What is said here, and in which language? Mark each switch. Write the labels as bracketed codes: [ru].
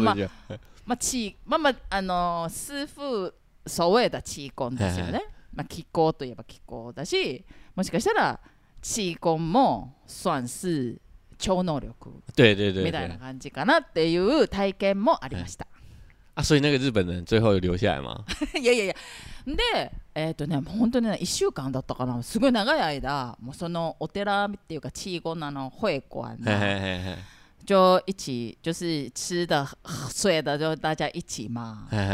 [ja] まあまあ气まあまああの师傅所谓的气功ですよね。まあ気功といえば気功だし、もしかしたら。 [zh] 气功 [ja] も [zh] 算是超能力。对对对。 [ja] みたいな感じかなっていう体験もありました。 [zh] 啊，所以那个日本人最后有留下来吗？ [ja] いやいやいや。で、ね、本当にね、一週間だったかな。すごい長い間、もうそのお寺っていうか气功なの会館。 [zh] 就一起就是吃的睡的就大家一起嘛。